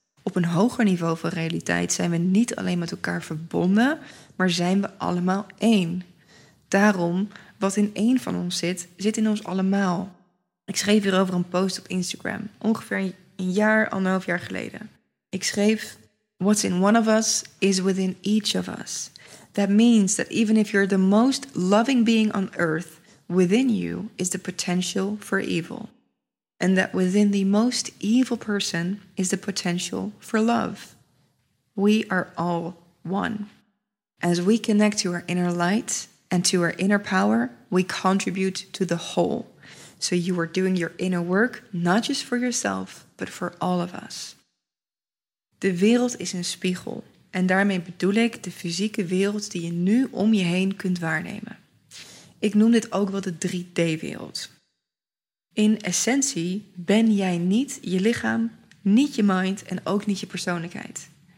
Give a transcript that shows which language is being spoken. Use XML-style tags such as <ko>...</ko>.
<nl>Op een hoger niveau van realiteit zijn we niet alleen met elkaar verbonden, maar zijn we allemaal 1. Daarom, wat in 1 van ons zit, zit in ons allemaal. Ik schreef hierover een post op Instagram, ongeveer 1,5 jaar geleden. Ik schreef:</nl> <en>"What's in one of us is within each of us. That means that even if you're the most loving being on earth, within you is the potential for evil. And that within the most evil person is the potential for love. We are all one. As we connect to our inner light and to our inner power, we contribute to the whole. So you are doing your inner work, not just for yourself, but for all of us."</en> <nl>De wereld is een spiegel. En daarmee bedoel ik de fysieke wereld die je nu om je heen kunt waarnemen. Ik noem dit ook wel de 3D-wereld. In essentie ben jij niet je lichaam, niet je mind en ook niet je persoonlijkheid.</nl>